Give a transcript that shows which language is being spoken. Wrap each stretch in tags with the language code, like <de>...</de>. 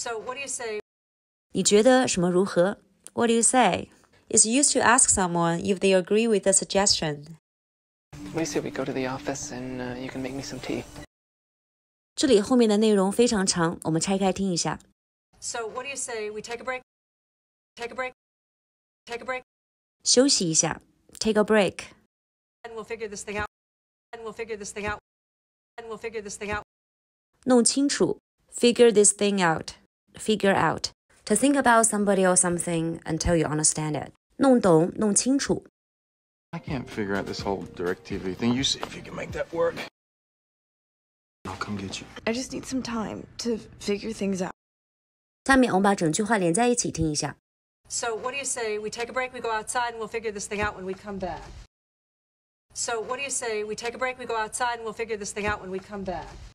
<en>What do you say? It's used to ask someone if they agree with the suggestion. What do you say we go to the office and you can make me some tea?</en> <zh>这里后面的内容非常长，我们拆开听一下。</zh> <en>So what do you say? We take a break. Take a break. Take a break.</en> <zh>休息一下。</zh> <en>Take a break. And we'll figure this thing out. And we'll figure this thing out. And we'll figure this thing out.</en> <zh>弄清楚</zh> <en>figure this thing out. Figure out. To think about somebody or something until you understand it.</en> <zh>弄懂弄清楚</zh> <en>I can't figure out this whole DirecTV thing. You see if you can make that work. I'll come get you. I just need some time to figure things out.</en> <zh>下面我们把整句话连在一起听一下</zh> <en>So what do you say? We take a break, we go outside, and we'll figure this thing out when we come back. So what do you say? We take a break, we go outside, and we'll figure this thing out when we come back.</en>